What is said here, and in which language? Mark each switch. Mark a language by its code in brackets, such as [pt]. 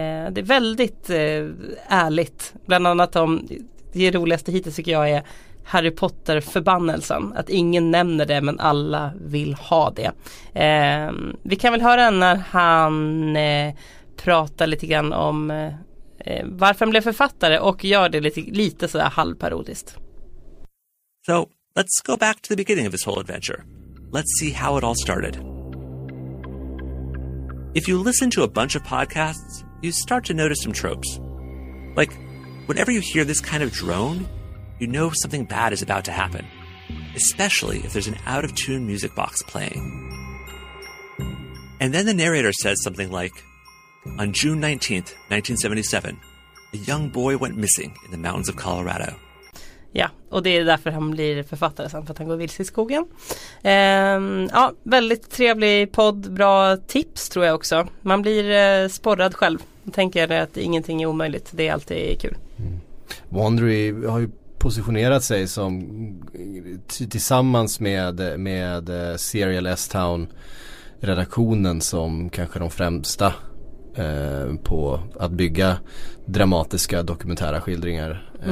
[sv] Det är väldigt ärligt, bland annat om det roligaste hittills tycker jag är Harry Potter-förbannelsen. Att ingen nämner det, men alla vill ha det. Vi kan väl höra när han pratar lite grann om varför han blev författare, och gör det lite så här halvparodiskt. [en] So, let's go back to the beginning of this whole adventure. Let's see how it all started. If you listen to a bunch of podcasts, you start to notice some tropes. Like, whenever you hear this kind of drone, you know something bad is about to happen, especially if there's an out-of-tune music box playing. And then the narrator says something like, on June 19th, 1977, a young boy went missing in the mountains of Colorado. [sv] Ja, och det är därför han blir författare sen, för att han går vilse i skogen. Ja, väldigt trevlig podd, bra tips tror jag också. Man blir sporrad själv. Jag tänker att ingenting är omöjligt, det är alltid kul. Wondery har ju positionerat sig som tillsammans med Serial S-Town redaktionen som kanske de främsta på att bygga dramatiska dokumentära skildringar.